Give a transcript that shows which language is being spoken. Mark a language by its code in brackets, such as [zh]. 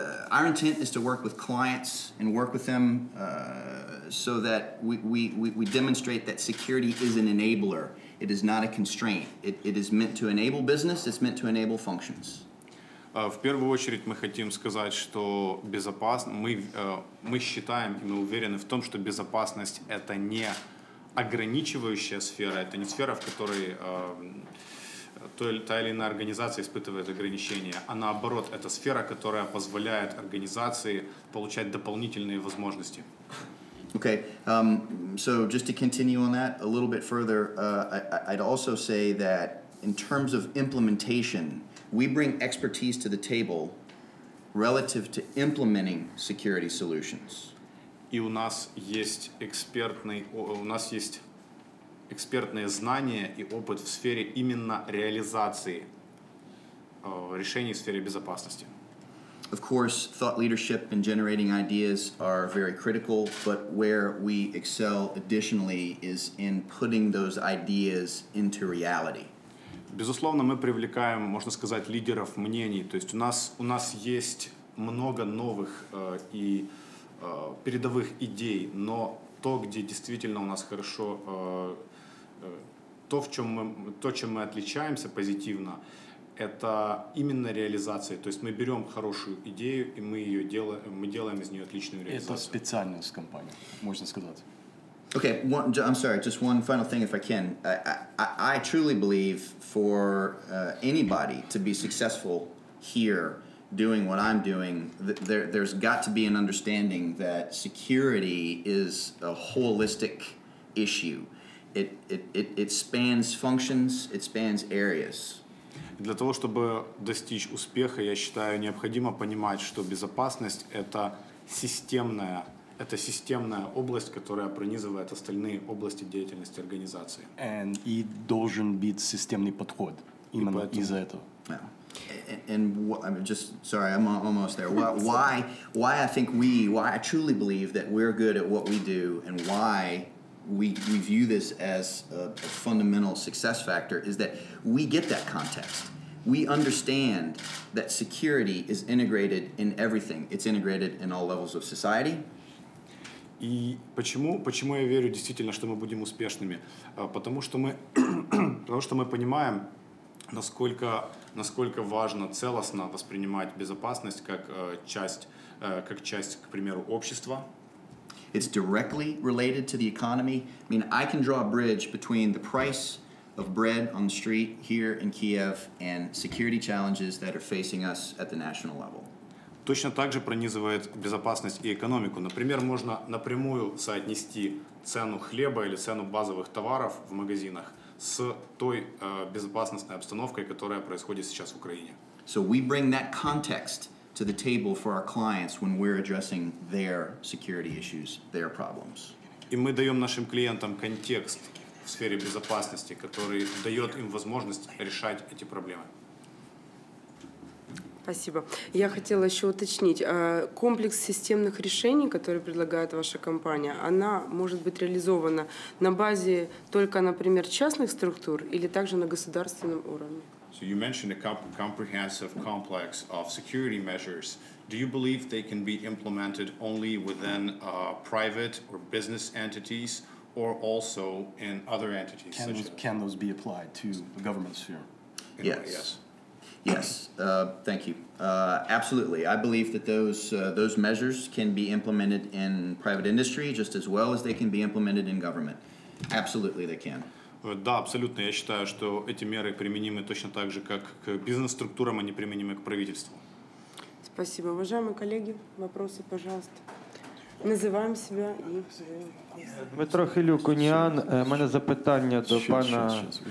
[en] Our intent is to work with clients and work with them so that we demonstrate that security is an enabler. It is not a constraint. It is meant to enable business. It's meant to enable functions. [ru] В первую очередь мы хотим сказать, что безопасность. Мы считаем и мы уверены в том, что безопасность это не ограничивающая сфера. Это не сфера, в которой та или иная организация испытывает ограничения. А наоборот, это сфера, которая позволяет организации получать дополнительные возможности. [en] Okay, so just to continue on that a little bit further, I'd also say that in terms of implementation, we bring expertise to the table relative to implementing security solutions. [ru] И у нас есть экспертные знания и опыт в сфере именно реализации решений в сфере безопасности. [en] Of course, thought leadership and generating ideas are very critical, but where we excel additionally is in putting those ideas into reality. [ru] Безусловно, мы привлекаем, можно сказать, лидеров мнений. То есть у нас есть много новых и передовых идей, но то, где действительно у нас хорошо, то, чем мы отличаемся позитивно, это именно реализация. То есть мы берем хорошую идею, и мы делаем из нее отличную реализацию. Это специальность компании, можно сказать. [en] Okay, I'm sorry, just one final thing if I can. I truly believe for anybody to be successful here doing what I'm doing, there's got to be an understanding that security is a holistic issue. It spans functions, it spans areas. [ru] Для того, чтобы достичь успеха, я считаю, необходимо понимать, что безопасность — это системная. Это системная область, которая пронизывает остальные области деятельности организации. И должен быть системный подход именно из-за этого. [en] I'm almost there. Why I think we, why I truly believe that we're good at what we do, and why we view this as a fundamental success factor, is that we get that context. We understand that security is integrated in everything. It's integrated in all levels of society. [ru] И почему я верю действительно, что мы будем успешными? Потому что мы понимаем, насколько важно целостно воспринимать безопасность как часть, к примеру, общества. [en] It's directly related to the economy. I mean, I can draw a bridge between the price of bread on the street here in Kiev and security challenges that are facing us at the national level. [ru] Точно так же пронизывает безопасность и экономику. Например, можно напрямую соотнести цену хлеба или цену базовых товаров в магазинах с той безопасностной обстановкой, которая происходит сейчас в Украине. [en] So we bring that context to the table for our clients when we're addressing their security issues, their problems. [ru] И мы даем нашим клиентам контекст в сфере безопасности, который дает им возможность решать эти проблемы. Спасибо. Я хотела еще уточнить. Комплекс системных решений, которые предлагает ваша компания, она может быть реализована на базе только, например, частных структур или также на государственном уровне? [en] So you mentioned a comprehensive complex of security measures. Do you believe they can be implemented only within private or business entities or also in other entities? Can those be applied to the government sphere? Yes. Yes, thank you. Absolutely. I believe that those measures can be implemented in private industry just as well as they can be implemented in government. Absolutely they can. [ru] Да, абсолютно. Я считаю, что эти меры применимы точно так же, как к бизнес-структурам, они применимы к правительству. Спасибо. Уважаемые коллеги, вопросы, пожалуйста. [uk] Називаємо себе і Дмитро Хилюк-Уніан. У мене запитання до пана.